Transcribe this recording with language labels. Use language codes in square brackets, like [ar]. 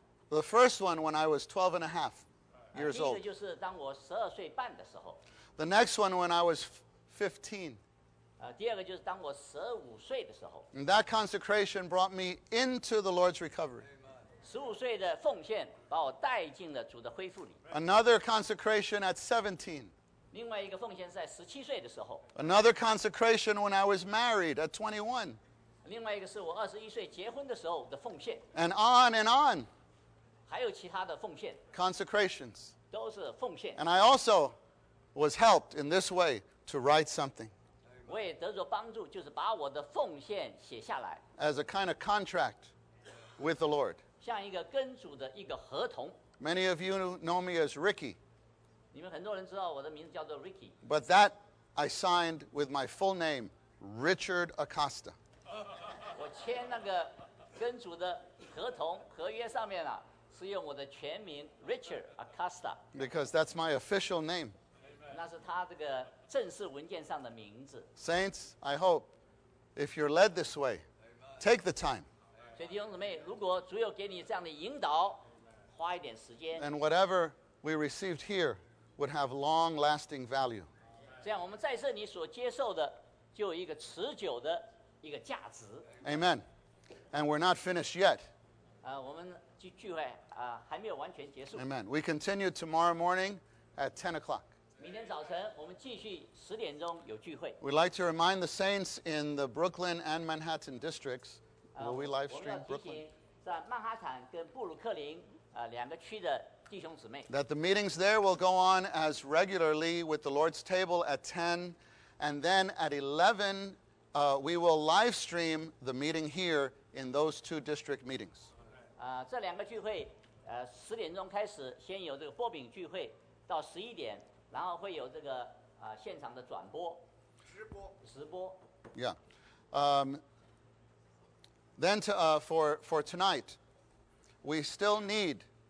[en] The first one when I was 12 and a half years old. [zh] 第一个就是当我12岁半的时候。 [en] The next one when I was 15. [zh] 第二个就是当我15岁的时候。 [en] And that consecration brought me into the Lord's recovery. [zh] 15岁的奉献把我带进了主的恢复里。 [en] Another consecration at 17. [zh] 另外一个奉献是在17岁的时候。 [en] Another consecration when I was married at 21. [zh] 另外一个是我21岁结婚的时候的奉献。 [en] And on and on. [zh] 还有其他的奉献。 [en] Consecrations. [zh] 都是奉献。 [en] And I also was helped in this way to write something. [zh] 我也得着帮助，就是把我的奉献写下来。 [en] As a kind of contract with the Lord. [zh] 像一个跟主的一个合同。 [en] Many of you know me as Ricky. [zh] 你们很多人知道我的名字叫做 Ricky. [en] But that I signed with my full name, Richard Acosta. [zh] 我签那个跟主的合同合约上面啊，是用我的全名 Richard Acosta. [en] Because that's my official name. [zh] 那是他这个正式文件上的名字。 [en] Saints, I hope if you're led this way, take the time. [zh] 所以弟兄姊妹，如果主有给你这样的引导，花一点时间。 [en] And whatever we received here. Would have long-lasting value. [zh] 这样，我们在这里所接受的就有一个持久的一个价值。 [en] Amen. And we're not finished yet. [zh] 我们聚会还没有完全结束。 [en] Amen. We continue tomorrow morning at 10 o'clock. [zh] 明天早晨，我们继续十点钟有聚会。 [en] We'd like to remind the saints in the Brooklyn and Manhattan districts. Will we live stream Brooklyn? [zh] 在曼哈坦跟布鲁克林两个区的。 [en] That the meetings there will go on as regularly with the Lord's table at 10, and then at 11, we will live stream the meeting here in those two district meetings. [zh] 这两个聚会，十点钟开始，先有这个薄饼聚会，到十一点，然后会有这个现场的转播，直播。 [en] Yeah. Then for tonight, we still need.